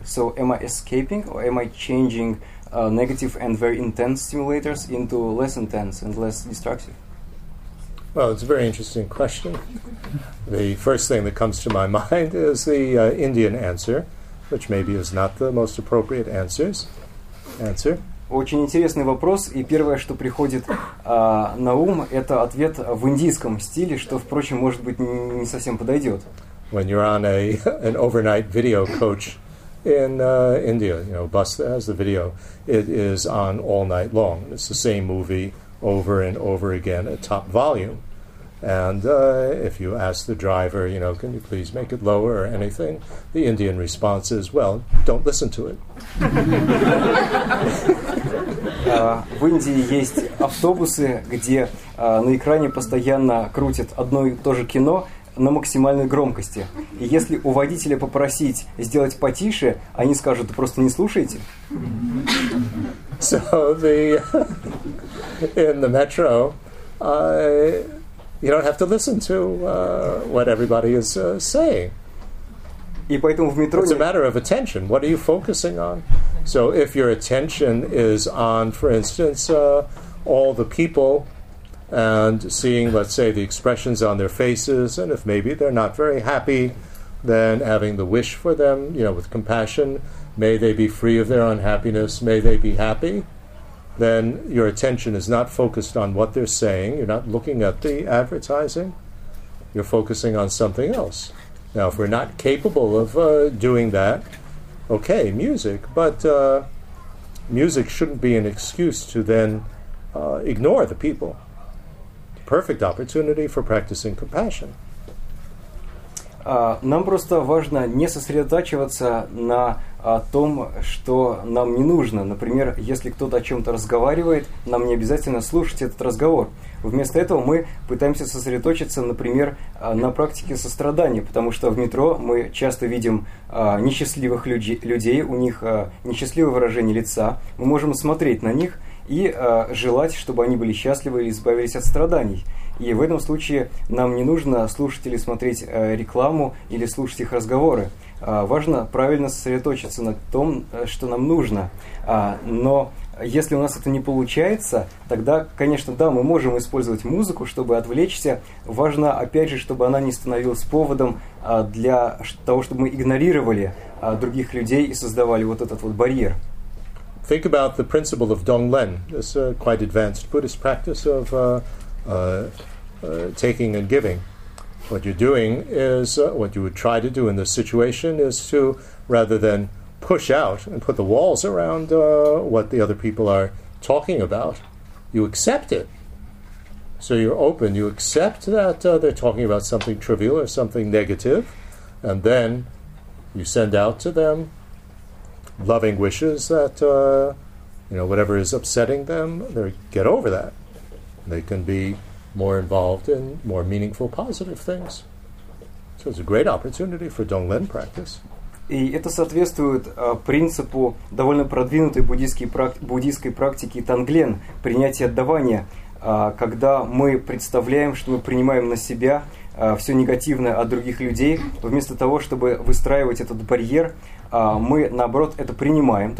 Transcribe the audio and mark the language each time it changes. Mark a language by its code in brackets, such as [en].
[en] So am I escaping or am I changing negative and very intense stimulators into less intense and less destructive? Well, it's a very interesting question. The first thing that comes to my mind is the Indian answer. Which maybe is not the most appropriate answers. Answer. [ru] Очень интересный вопрос, и первое, что приходит на ум, это ответ в индийском стиле, что, впрочем, может быть, не совсем подойдет. [en] When you're on an overnight video coach in India, you know, bus that has the video, it is on all night long. It's the same movie over and over again at top volume. And if you ask the driver, you know, can you please make it lower or anything, the Indian response is, well, don't listen to it. [ru] В Индии есть автобусы, где на экране постоянно крутят одно и то же кино на максимальной громкости. И если у водителя попросить сделать потише, они скажут, просто не слушайте. [en] So the in the metro, you don't have to listen to what everybody is saying. [ru] И поэтому в метро... [en] It's a matter of attention. What are you focusing on? So if your attention is on, for instance, all the people and seeing, let's say, the expressions on their faces, and if maybe they're not very happy, then having the wish for them, you know, with compassion, may they be free of their unhappiness, may they be happy... then your attention is not focused on what they're saying, you're not looking at the advertising, you're focusing on something else. Now, if we're not capable of doing that, okay, music, but music shouldn't be an excuse to then ignore the people. Perfect opportunity for practicing compassion. [ru] Нам просто важно не сосредотачиваться на том, что нам не нужно. Например, если кто-то о чем-то разговаривает, нам не обязательно слушать этот разговор. Вместо этого мы пытаемся сосредоточиться, например, на практике сострадания, потому что в метро мы часто видим несчастливых людей, у них несчастливое выражение лица. Мы можем смотреть на них и желать, чтобы они были счастливы и избавились от страданий. И в этом случае нам не нужно слушать или смотреть рекламу или слушать их разговоры. Важно правильно сосредоточиться на том, что нам нужно. Но если у нас это не получается, тогда, конечно, да, мы можем использовать музыку, чтобы отвлечься. Важно, опять же, чтобы она не становилась поводом для того, чтобы мы игнорировали других людей и создавали вот этот вот барьер. [en] Think about the principle of Donglen. It's a quite advanced Buddhist practice of taking and giving. What you're doing is, what you would try to do in this situation is to, rather than push out and put the walls around what the other people are talking about, you accept it. So you're open. You accept that they're talking about something trivial or something negative, and then you send out to them loving wishes that you know, whatever is upsetting them, they get over that. They can be more involved in more meaningful, positive things. So it's a great opportunity for Donglen practice. [ru] И это соответствует принципу довольно продвинутой буддийской практики Тонглен, принятия отдавания, когда мы представляем, что мы принимаем на себя все негативное от других людей, вместо того, чтобы выстраивать этот барьер, мы, наоборот, это принимаем.